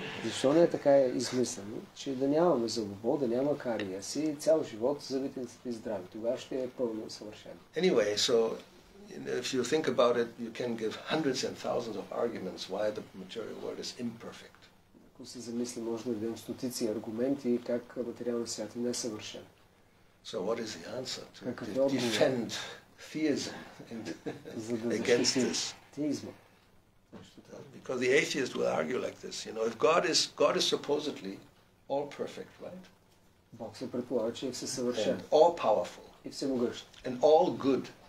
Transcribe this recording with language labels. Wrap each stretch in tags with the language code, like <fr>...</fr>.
<bg>Защо не е така измислено, че да нямаме зъбово, да няма кариеси, цял живот зъбите са ти здрави. Тогава ще е пълно съвършено.</bg> <en>Anyway, so if you think about it, you can give hundreds and thousands of arguments why the material world is imperfect.</en> <bg>Ако се замисли, може да дадем стотици аргументи как материалният свят е несъвършен.</bg> <en>So what is the answer to defend theism against this? Because the atheist will argue like this, you know, if God is supposedly all perfect, right? And all powerful. And all good.</en>